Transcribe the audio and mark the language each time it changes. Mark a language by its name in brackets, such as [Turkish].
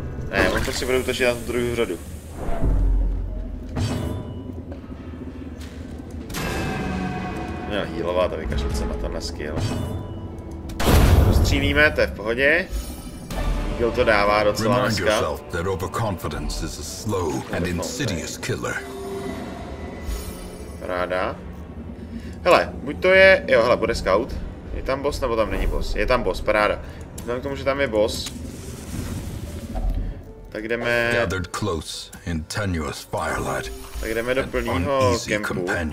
[Czech] Ne, on to si bude utočit na tu druhou řadu. Měl healovat a vykašlit se na tenhle skill. Postřílíme, to je v pohodě. Heal to dává docela dneska. [English] Remind yourself that is a slow and insidious killer. [Czech] Ráda. Hele, buď to je, jo, hele, bude scout. Je tam boss, nebo tam není boss? Je tam boss, paráda. Vzhledem k tomu, že tam je boss. Tak jdeme... [English] Gathered close in tenuous firelight. [Czech] Tak jdeme do plnýho kempu.